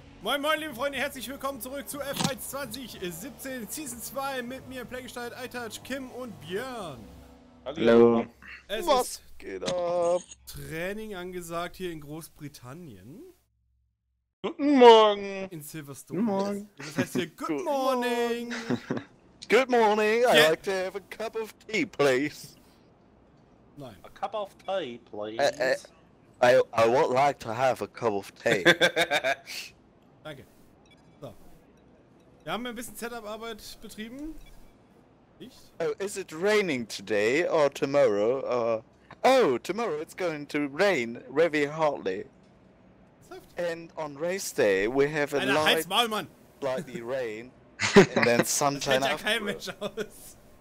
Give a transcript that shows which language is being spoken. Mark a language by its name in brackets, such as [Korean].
[German] Moin moin liebe Freunde, herzlich willkommen zurück zu F1 2017 Season 2 mit mir, Playgestalt, iTouch, Kim und Björn. Hallo. Es Was geht ab? Training angesagt hier in Großbritannien. Guten Morgen. In Silverstone. Guten Morgen. Das heißt hier, [English] good morning. Good morning, I like to have a cup of tea, please. [German] Nein. [English] A cup of tea, please. I would like to have a cup of tea. [German] Danke. So. Wir haben ein bisschen Setup-Arbeit betrieben. Nicht? [English] Oh, is it raining today or tomorrow? Oh, tomorrow it's going to rain very hardly. And on race day we have a [German] light, halt's Maul, Mann. [English] Slightly rain. And then sunshine [German] das [English] after. Das [German] ja kein Mensch aus.